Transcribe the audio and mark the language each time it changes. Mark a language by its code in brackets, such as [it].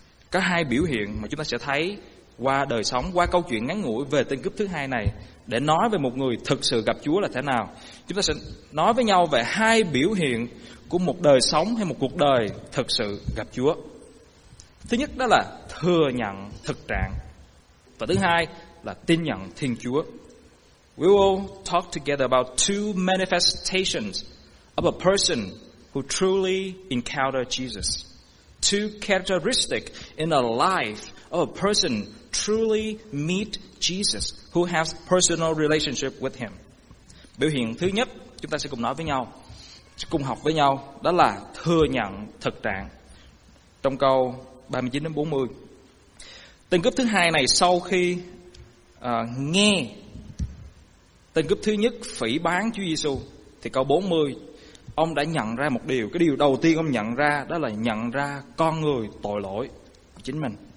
[vi] Có hai biểu hiện mà chúng ta sẽ thấy qua đời sống, qua câu chuyện ngắn ngủi về tên cướp thứ hai này, để nói về một người thực sự gặp Chúa là thế nào. Chúng ta sẽ nói với nhau về hai biểu hiện của một đời sống hay một cuộc đời thực sự gặp Chúa. Thứ nhất đó là thừa nhận thực trạng, và thứ hai là tin nhận Thiên Chúa. [en] We will talk together about two manifestations of a person who truly encountered Jesus. Two characteristics in the life of a person truly meet Jesus, who has personal relationship with him. [vi] Biểu hiện thứ nhất, chúng ta sẽ cùng nói với nhau, sẽ cùng học với nhau, đó là thừa nhận thực trạng. Trong câu 39-40, tên cướp thứ hai này sau khi nghe tên cướp thứ nhất phỉ báng Chúa Giê-xu, thì câu 40, ông đã nhận ra một điều. Cái điều đầu tiên ông nhận ra đó là nhận ra con người tội lỗi của chính mình.